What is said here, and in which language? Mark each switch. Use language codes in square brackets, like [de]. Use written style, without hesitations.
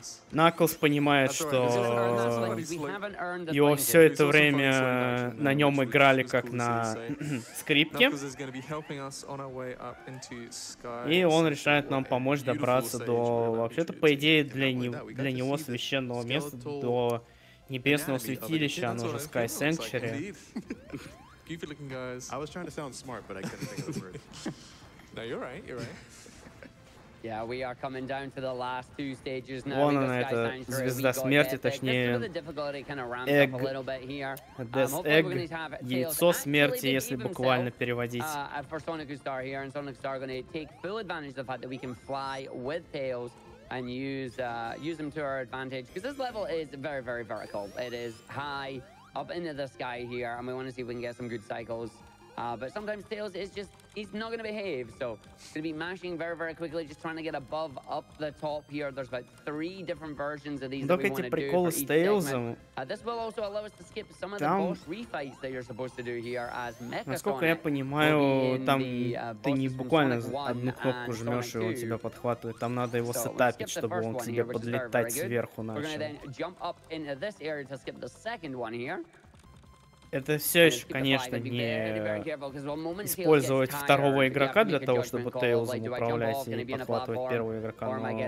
[ru] Наклз понимает, что его все это время на нем играли как на скрипке. И он решает нам помочь добраться до, вообще-то, по идее, для него священного места, до небесного святилища, оно же Sky Sanctuary. [en] Goofy looking guys. I was trying to sound smart, but I couldn't think of the word. No, you're right, you're right. Yeah, we are coming down to the last two stages now. [ru] Вон она, эта звезда смерти, точнее, [en] egg. This egg, [ru] яйцо смерти, если буквально переводить. [en] For Sonic Star here, and Sonic Star going to take full advantage of the fact that we can fly with Tails and use them to our advantage. Because this level is very, very vertical. It is high up into the sky here, and we want to see if we can get some good cycles. But sometimes Tails is just, he's not going to behave. So he's going to be mashing very, very quickly, just trying to get above up the top here. There's about three different versions of these that we want to do for each segment. This will also allow us to skip some of the boss refights that you're supposed to do here as Mecha Sonic. [ru] Насколько я понимаю, там ты не буквально одну кнопку жмешь, и он тебя подхватывает. Там надо его сетапить, чтобы он к тебе подлетать сверху начал. [en] We're going to then jump up into this area to skip the second one here. [ru] Это все еще, конечно, не использовать второго игрока для того, чтобы Тейлзом управлять и подхватывать первого игрока, но тем